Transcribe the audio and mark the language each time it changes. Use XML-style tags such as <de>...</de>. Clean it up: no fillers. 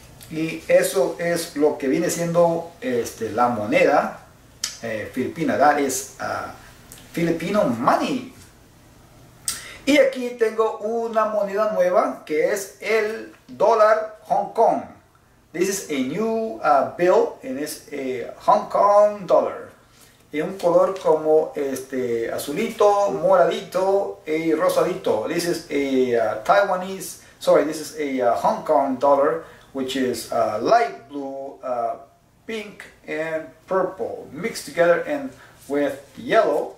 <es>Y eso es lo que viene siendo este, la moneda filipina.</es> <en>That is Filipino money.</en> <es>Y aquí tengo una moneda nueva que es el dólar Hong Kong.</es> <en>This is a new bill and it's a Hong Kong dollar.</en> <es>En un color como este azulito, moradito y rosadito.</es> <en>This is a Taiwanese, sorry, this is a Hong Kong dollar, which is light blue, pink and purple mixed together and with yellow.</en>